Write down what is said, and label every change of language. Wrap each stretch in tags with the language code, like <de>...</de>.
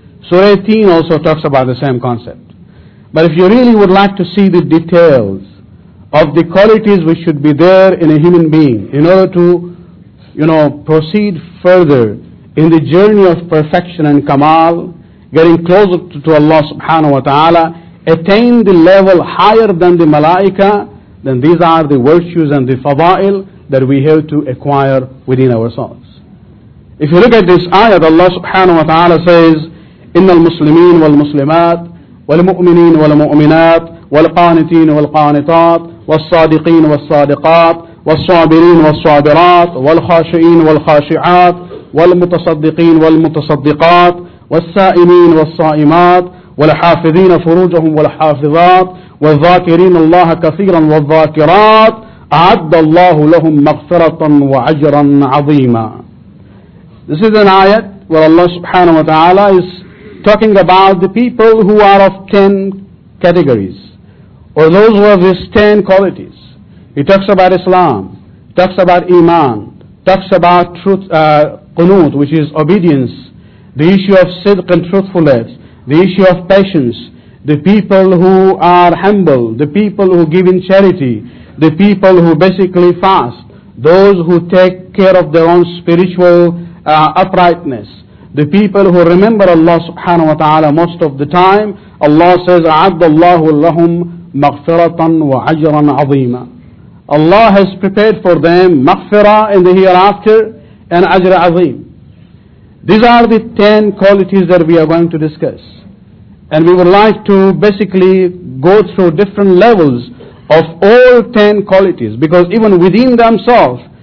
<en>Surah 18 also talks about the same concept. But if you really would like to see the details of the qualities which should be there in a human being in order to, you know, proceed further in the journey of perfection and kamal, getting closer to Allah subhanahu wa ta'ala, attain the level higher than the malaika, then these are the virtues and the fada'il that we have to acquire within ourselves. If you look at this ayat, Allah subhanahu wa ta'ala says,</en> <ar>إِنَّ الْمُسْلِمِينَ وَالْمُسْلِمَاتِ وَالْمُؤْمِنِينَ وَالْمُؤْمِنَاتِ وَالْقَانِتِينَ وَالْقَانِتَاتِ وَالصَّادِقِينَ وَالصَّادِقَاتِ وَالصَّابِرِينَ وَالصَّابِرَاتِ وَالْخَاشِئِينَ وَالْخَاشِعَاتِ وَالْمُتَصَدِّقِينَ وَالْمُتَصَدِّقَاتِ وَالسَّائِمِينَ وَالصَّائِمَاتِ وَالْحَافِظِينَ فُرُوجَهُمْ وَالْحَافِظَاتِ والذاكرين الله كثيرا والذاكرات أعد الله لهم مغفرة وعجرا عظيما.</ar> <en>This is an ayat where Allah subhanahu wa ta'ala is talking about the people who are of 10 categories, or those who have these 10 qualities. He talks about Islam, talks about Iman, talks about truth, qunut, which is obedience, the issue of sidq and truthfulness, the issue of patience, the people who are humble, the people who give in charity, the people who basically fast, those who take care of their own spiritual uprightness, the people who remember Allah subhanahu wa ta'ala most of the time. Allah says,</en> <ar>أَعَدَّ اللَّهُ لَهُمْ مَغْفِرَةً وَعَجْرًا عَظِيمًا.</ar> <en>Allah has prepared for them مَغْفِرَةً in the hereafter and</en> <ar>أَجْرَ عَظِيم.</ar> <en>These are the 10 qualities that we are going to discuss. And we would like to basically go through different levels of all 10 qualities, because even within themselves</en>